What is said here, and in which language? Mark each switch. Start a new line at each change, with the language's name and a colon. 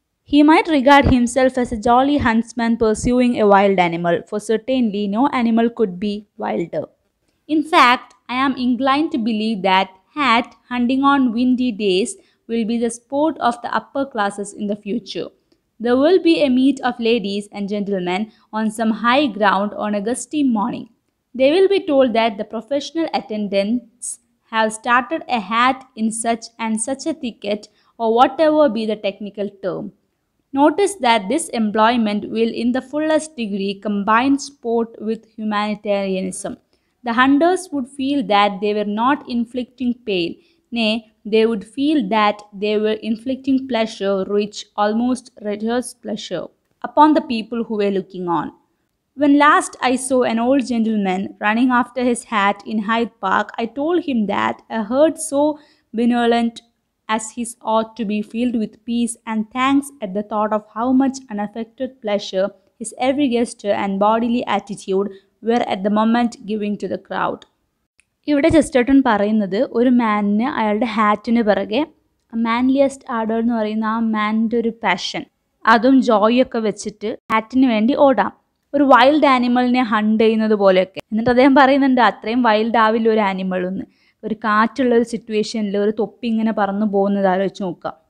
English: He might regard himself as a jolly huntsman pursuing a wild animal for certainly no animal could be wilder. In fact I am incline to believe that hat hunting on windy days will be the sport of the upper classes in the future. There will be a meet of ladies and gentlemen on some high ground on a gusty morning. They will be told that the professional attendants have started a hat in such and such a thicket or whatever be the technical term. Notice that this employment will in the fullest degree combine sport with humanitarianism. The hunters would feel that they were not inflicting pain. Nay, they would feel that they were inflicting pleasure, rich, almost rigorous pleasure, upon the people who were looking on. When last I saw an old gentleman running after his hat in Hyde Park, I told him that a herd so benevolent as his ought to be filled with peace and thanks at the thought of how much unaffected pleasure his every gesture and bodily attitude were at the moment giving to the crowd.
Malayalam: ഇവിടെ ജസ്റ്റർട്ടൺ പറയുന്നത് ഒരു മാനിന് അയാളുടെ ഹാറ്റിന് പിറകെ മാൻലിയസ്റ്റ് order എന്ന് പറയുന്ന ആ മാനിൻ്റെ ഒരു passion, അതും ജോയൊക്കെ വെച്ചിട്ട് ഹാറ്റിന് വേണ്ടി ഓടാം, ഒരു വൈൽഡ് ആനിമലിനെ ഹണ്ട് ചെയ്യുന്നത് പോലെയൊക്കെ. എന്നിട്ട് അദ്ദേഹം പറയുന്നുണ്ട് അത്രയും വൈൽഡ് ആവില്ല ഒരു ആനിമലൊന്ന്, ഒരു കാറ്റുള്ള ഒരു സിറ്റുവേഷനിൽ ഒരു തൊപ്പി ഇങ്ങനെ പറന്ന് പോകുന്നത് ആലോചിച്ച് നോക്കാം.